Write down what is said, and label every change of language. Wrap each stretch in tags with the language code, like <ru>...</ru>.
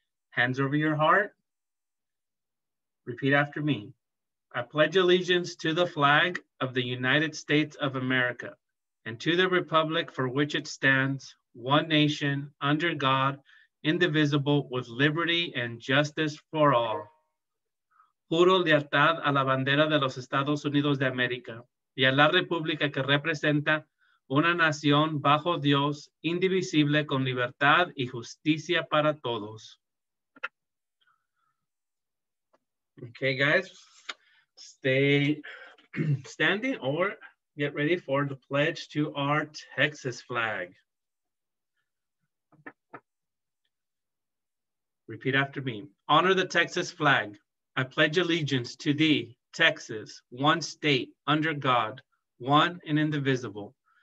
<en>Hands over your heart. Repeat after me. I pledge allegiance to the flag of the United States of America and to the republic for which it stands, one nation, under God, indivisible, with liberty and justice for all.</en> <es>Juro lealtad a la bandera de los Estados Unidos de América y a la república que representa una nación bajo Dios, indivisible, con libertad y justicia para todos.</es> <en>Okay, guys, stay standing or get ready for the pledge to our Texas flag. Repeat after me. Honor the Texas flag. I pledge allegiance to thee, Texas, one state, under God, one and indivisible.</en>